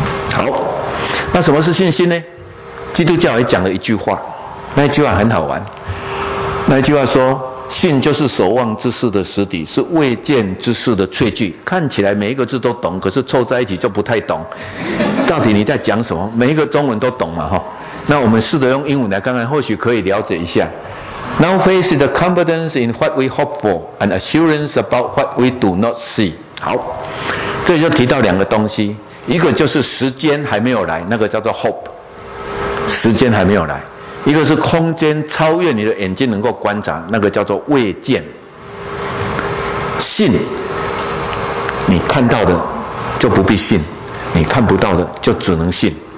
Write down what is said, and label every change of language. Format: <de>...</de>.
<zh>好，那什么是信心呢？基督教也讲了一句话，那一句话很好玩，那一句话说，信就是所望之事的实底，是未见之事的确据。看起来每一个字都懂，可是凑在一起就不太懂，到底你在讲什么？每一个中文都懂嘛，哈。那我们试着用英文来看看，或许可以了解一下。</zh> <en>Now faith is the confidence in what we hope for and assurance about what we do not see。</en> <zh>好，这里就提到两个东西，一个就是时间还没有来，那个叫做 hope， 时间还没有来。一个是空间超越你的眼睛能够观察，那个叫做未见。信，你看到的就不必信，你看不到的就只能信。</zh>